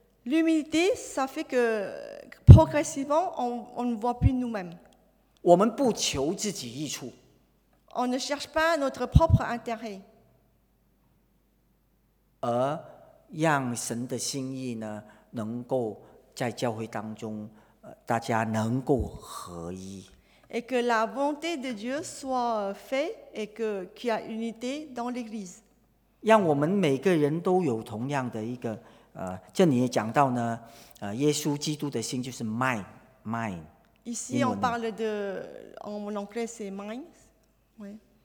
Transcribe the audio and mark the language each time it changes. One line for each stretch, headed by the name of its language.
French: L'humilité, ça fait que progressivement, on ne voit plus nous-mêmes.
Chinese: 我们不求自己益处。
French: On ne cherche pas notre propre intérêt.
Chinese: 而让神的心意呢能够在教会当中大家能够合一。
French: Et que la volonté de Dieu soit faite et que, qu'il y ait unité dans l'Église.
Chinese: 让我们每个人都有同样的一个这里也讲到呢耶稣基督的心就是 mine.
French: Ici on parle de, en anglais c'est mine, oui.